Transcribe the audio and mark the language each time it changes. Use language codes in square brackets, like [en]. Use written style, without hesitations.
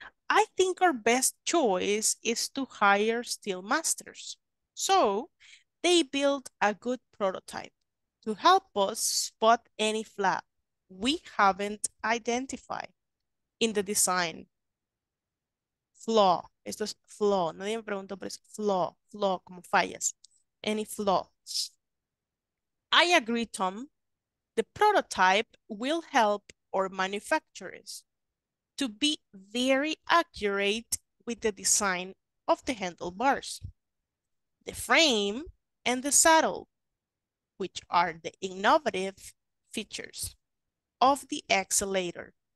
[en] I think our best choice is to hire steel masters. So they built a good prototype to help us spot any flaw we haven't identified in the design. [es] Flaw, esto es flaw, nadie me preguntó, pero es flaw, flaw, como fallas, [en] any flaws. I agree, Tom, the prototype will help our manufacturers to be very accurate with the design of the handlebars, the frame, and the saddle, which are the innovative features of the accelerator.